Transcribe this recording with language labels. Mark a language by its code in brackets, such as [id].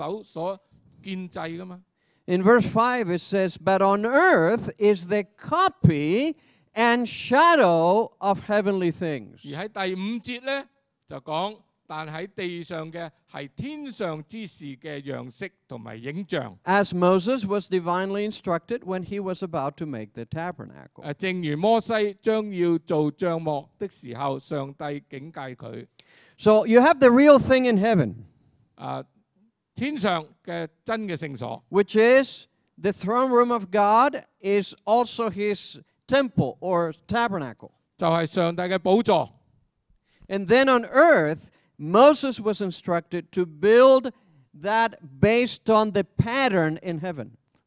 [zh] 因为这里很明显是讲天上的圣所,因为不是用人手所建制的嘛。 [en] In verse 5, it says, but on earth is the copy and shadow of heavenly things. [zh] 而在第五节呢,就讲, 但在地上的是天上之事的样式和影像。 [en] As Moses was divinely instructed when he was about to make the tabernacle. [zh] 正如摩西将要做帐幕的时候,上帝警戒他。 [en] So you have the real thing in heaven. [zh] 天上的真的圣所。 [en] Which is the throne room of God is also his temple or tabernacle. [zh] 就是上帝的宝座。 [en] And then on earth, Moses was instructed to build that based on the pattern in heaven.